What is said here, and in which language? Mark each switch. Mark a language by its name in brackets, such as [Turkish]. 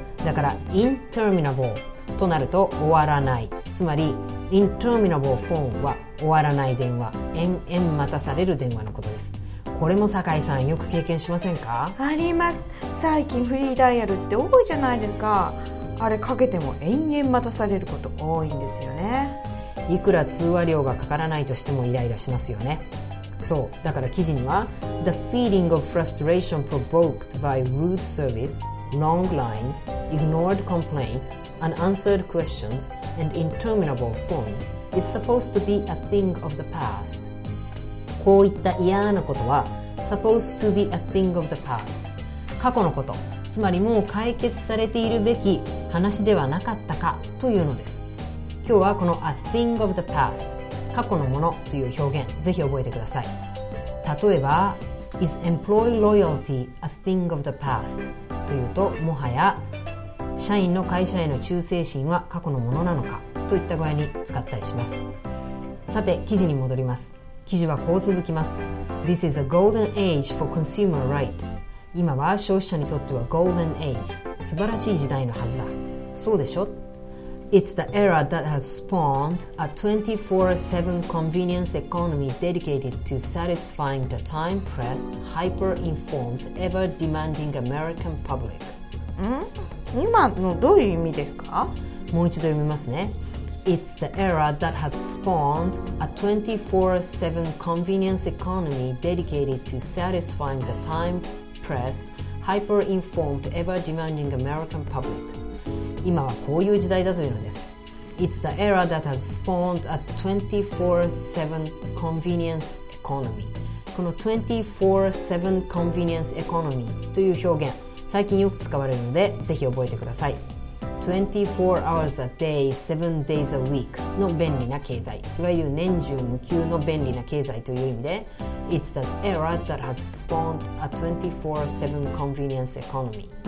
[Japanese] だから interminable となると終わらない、つまり interminable phone は終わらない電話、延々待たされる電話のことです。これも坂井さんよく経験しませんか？あります。最近フリーダイヤルって多いじゃないですか。あれかけても延々待たされること多いんですよね。いくら通話料がかからないとしてもイライラしますよね。そうだから記事には [English] The feeling of frustration provoked by rude service, long lines, ignored complaints, unanswered questions, and interminable phoneIs supposed to be a thing of the past. [Japanese] こういった嫌なことは [English] supposed to be a thing of the past. [Japanese] 過去のこと、つまりもう解決されているべき話ではなかったかというのです。今日はこの [English] a thing of the past、 [Japanese] 過去のものという表現、ぜひ覚えてください。例えば [English] Is employee loyalty a thing of the past? [Japanese] というと、もはや社員の会社への忠誠心は過去のものなのかといった具合に使ったりします。さて記事に戻ります。記事はこう続きます。 [English] This is a golden age for consumer right. [Japanese] 今は消費者にとっては golden age、 素晴らしい時代のはずだ。そうでしょ。 [English] It's the era that has spawned a 24/7 convenience economy dedicated to satisfying the time-pressed, hyper-informed, ever-demanding American public. ん？ [Japanese] 今のどういう意味ですか？もう一度読みますね。 [English] It's the era that has spawned a 24/7 convenience economy dedicated to satisfying the time-pressed, hyper-informed, ever-demanding American public. [Japanese] 今はこういう時代だというのです。 [English] It's the era that has spawned a 24/7 convenience economy. [Japanese] この24/7 convenience economy という表現、最近よく使われるのでぜひ覚えてください。 [English] 24 hours a day, 7 days a week [Japanese] の便利な経済、いわゆる年中無休の便利な経済という意味で、 [English] It's the era that has spawned a 24/7 convenience economy.